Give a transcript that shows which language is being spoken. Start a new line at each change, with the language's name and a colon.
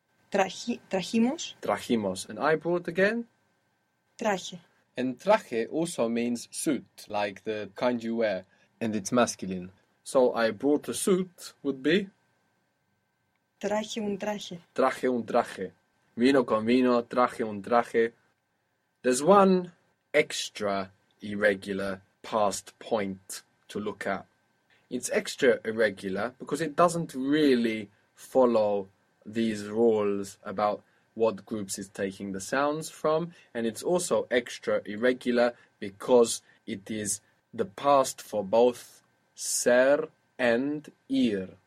Spanish: Trajimos. Trajimos.
English: And I brought again?
Spanish: Traje.
English: And traje also means suit, like the kind you wear, and it's masculine. So I brought a suit would be
Spanish: Traje un traje. traje un traje. Vino con vino, traje un traje.
English: There's one extra irregular past point to look at. It's extra irregular because it doesn't really follow these rules about what groups is taking the sounds from, and it's also extra irregular because it is the past for both ser and ir.